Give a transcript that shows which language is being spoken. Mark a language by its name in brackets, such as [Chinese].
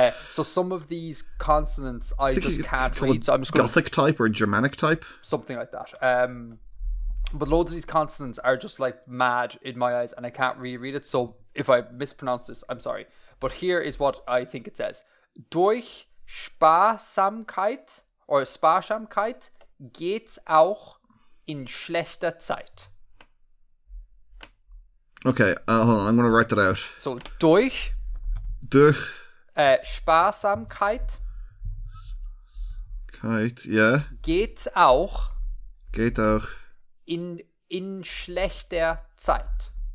[English] So some of these consonants I just can't read. So I'm just Gothic gonna, type or Germanic type? Something like that. But loads of these consonants are just like mad in my eyes and I can't really read it. So if I mispronounce this, I'm sorry. But here is what I think it says. [German] Durch Sparsamkeit [English] or [German] Sparsamkeit geht's auch in schlechter Zeit. [English] Okay, hold on. I'm going to write that out. So durch... [German] Durch... Sparsamkeit. [English] Kite, yeah. [German] Geht auch. In schlechter Zeit.